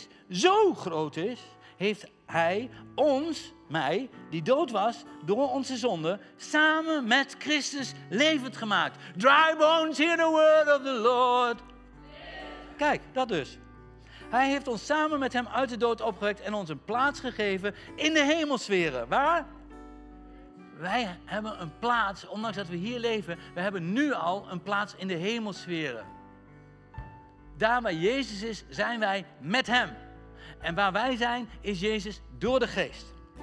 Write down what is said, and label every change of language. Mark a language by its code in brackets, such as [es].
[nl] Zo groot is, heeft hij ons, mij, die dood was door onze zonde, samen met Christus levend gemaakt. [en] Dry bones, hear the word of the Lord. [nl] Kijk, dat dus. Hij heeft ons samen met hem uit de dood opgewekt en ons een plaats gegeven in de hemelsferen. Waar? Wij hebben een plaats, ondanks dat we hier leven, we hebben nu al een plaats in de hemelsferen. Daar waar Jezus is, zijn wij met hem. En waar wij zijn, is Jezus door de geest.